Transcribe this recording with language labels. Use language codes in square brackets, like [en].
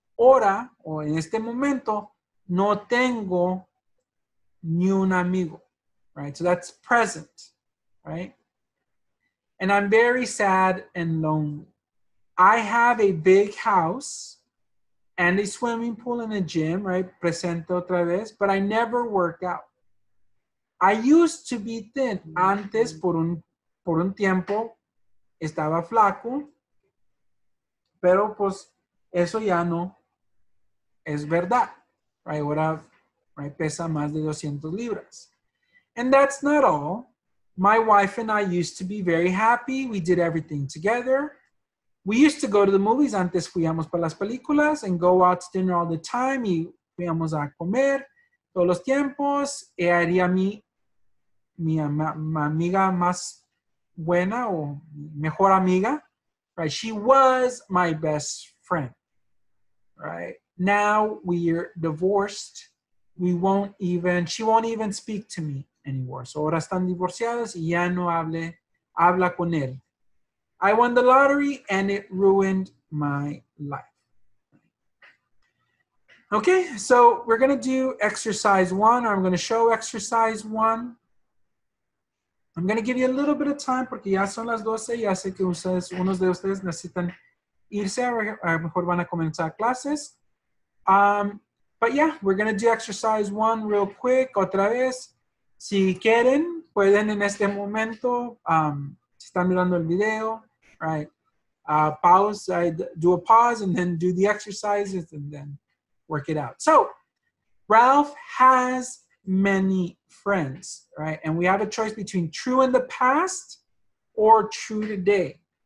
[es] Ahora, o en este momento, no tengo ni un amigo, right? [en] So that's present, right? And I'm very sad and lonely. I have a big house and a swimming pool and a gym, right? [es] Presente otra vez, [en] but I never work out. I used to be thin. [es] Antes, por un tiempo, estaba flaco, pero pues eso ya no. Es verdad, right? Ahora, right, pesa más de 200 libras. [en] And that's not all. My wife and I used to be very happy. We did everything together. We used to go to the movies. [es] Antes fuimos para las películas [en] and go out to dinner all the time. [es] Y fuimos a comer todos los tiempos. Y haría mi amiga más buena o mejor amiga. [en] Right? She was my best friend, right? Now we're divorced. She won't even speak to me anymore. [es] So ahora están divorciadas y ya no habla con él. [en] I won the lottery and it ruined my life. Okay, so we're going to do exercise one. I'm going to show exercise one. I'm going to give you a little bit of time [es] porque ya son las 12. Ya sé que ustedes, unos de ustedes necesitan irse. A lo mejor van a comenzar clases. [en] But yeah, we're going to do exercise one real quick, [es] otra vez. Si quieren, pueden en este momento, si están mirando el video, right? [en] Do a pause and then do the exercises and then work it out. So, Ralph has many friends, right? And we have a choice between true in the past or true today.